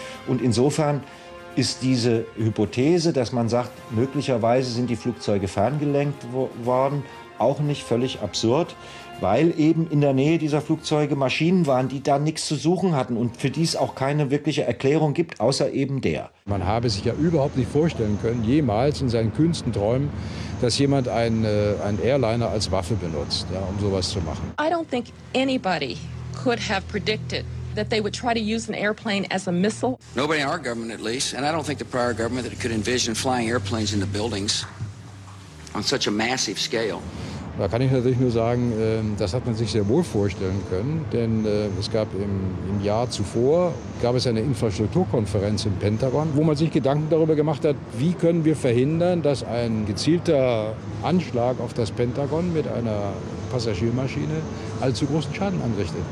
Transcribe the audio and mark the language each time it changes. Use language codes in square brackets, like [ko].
[de] Und insofern ist diese Hypothese, dass man sagt, möglicherweise sind die Flugzeuge ferngelenkt worden, auch nicht völlig absurd, weil eben in der Nähe dieser Flugzeuge Maschinen waren, die da nichts zu suchen hatten und für die es auch keine wirkliche Erklärung gibt, außer eben der. Man habe sich ja überhaupt nicht vorstellen können, jemals in seinen kühnsten Träumen, dass jemand einen Airliner als Waffe benutzt, ja, um sowas zu machen. [en] I don't think anybody could have predicted that they would try to use an airplane as a missile. Nobody in our government at least, and I don't think the prior government that could envision flying airplanes into buildings on such a massive scale. [de] Da kann ich natürlich nur sagen, das hat man sich sehr wohl vorstellen können, denn es gab im Jahr zuvor gab es eine Infrastrukturkonferenz im Pentagon, wo man sich Gedanken darüber gemacht hat, wie können wir verhindern, dass ein gezielter Anschlag auf das Pentagon mit einer Passagiermaschine allzu großen Schaden anrichtet.